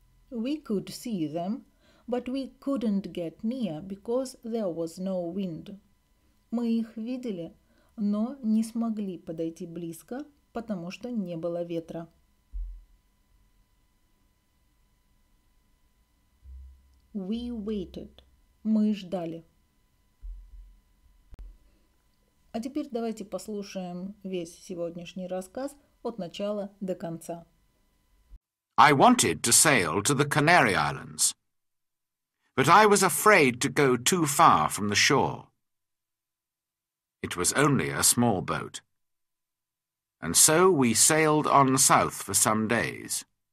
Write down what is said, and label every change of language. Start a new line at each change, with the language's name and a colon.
English: We could see them, but we couldn't get near because there was no wind.
Russian: Мы их видели, но не смогли подойти близко, потому что не было ветра.
English: We waited.
Russian: Мы ждали. А теперь давайте послушаем весь сегодняшний рассказ от начала до конца.
English: I wanted to sail to the Canary Islands, but I was afraid to go too far from the shore. It was only a small boat. And so we sailed on south for some days.